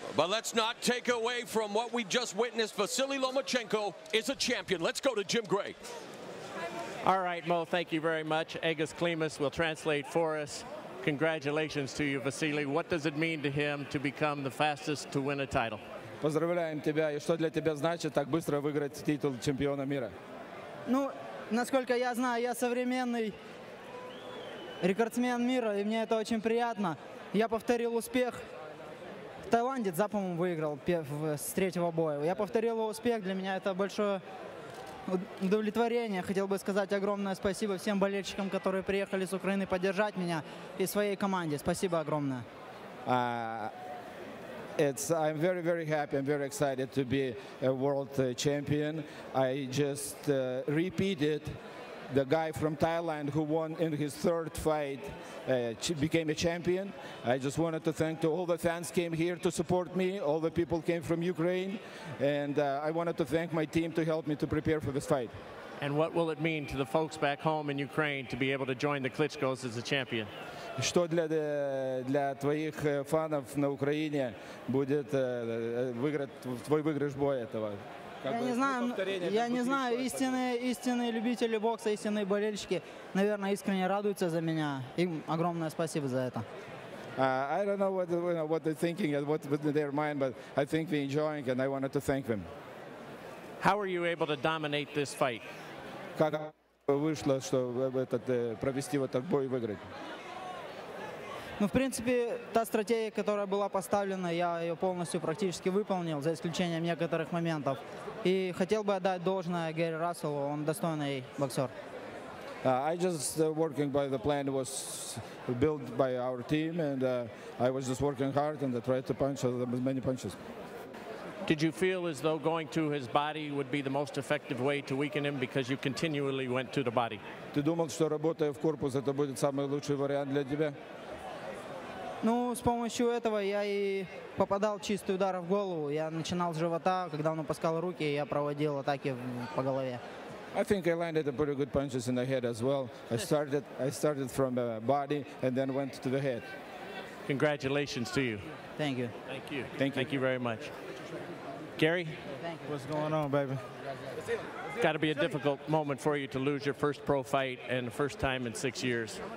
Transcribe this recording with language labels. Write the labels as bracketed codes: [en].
[en] But let's not take away from what we just witnessed. Vasyl Lomachenko is a champion. Let's go to Jim Gray. All right, Mo, thank you very much. Agus Klimas will translate for us. Congratulations to you, Vasily. What does it mean to him to become the fastest to win a title? [ru] Поздравляем тебя. И что для тебя значит так быстро выиграть титул чемпиона мира? Ну, насколько я знаю, я современный рекордсмен мира, и мне это очень приятно. Я повторил успех в Таиланде, да, по-моему, выиграл с третьего боя. Я повторил его успех, для меня это большое удовлетворение. Хотел бы сказать огромное спасибо всем болельщикам, которые приехали с Украины поддержать меня и своей команде. Спасибо огромное. [en] I'm very, very happy. I'm very excited to be a world champion. I just repeated the guy from Thailand who won in his third fight, became a champion. I just wanted to thank to all the fans came here to support me, all the people came from Ukraine, and I wanted to thank my team to help me to prepare for this fight. And what will it mean to the folks back home in Ukraine to be able to join the Klitschkos as a champion? [ru] Что для твоих фанов на Украине будет выиграть твой выигрыш боя этого? Я не знаю, истинные любители бокса, истинные болельщики, наверное, искренне радуются за меня. Им огромное спасибо за это. [en] I don't know what, you know, what they're thinking and what's in their mind, but I think they're enjoying and I wanted to thank them. How are you able to dominate this fight? [ru] Как вышло, что провести вот так бой и выиграть? Ну, в принципе, та стратегия, которая была поставлена, я ее полностью практически выполнил, за исключением некоторых моментов. И хотел бы отдать должное Гэри Расселу, он достойный боксер. [en] I just working by the plan was built by our team, and I was just working hard and I tried to punch as many punches. Did you feel as though going to his body would be the most effective way to weaken him because you continually went to the body? [ru] Ты думал, что работая в корпус, это будет самый лучший вариант для тебя? Ну, с помощью этого я и попадал чистый удар в голову. Я начинал с живота, когда он опускал руки, я проводил атаки по голове. [en] I think I landed a pretty good punches in the head as well. I started from the body and then went to the head. Congratulations to you. Thank you. Thank you. Thank you. Thank you very much. Gary? Thank you. What's going on, baby? Got to be a difficult moment for you to lose your first pro fight and the first time in 6 years.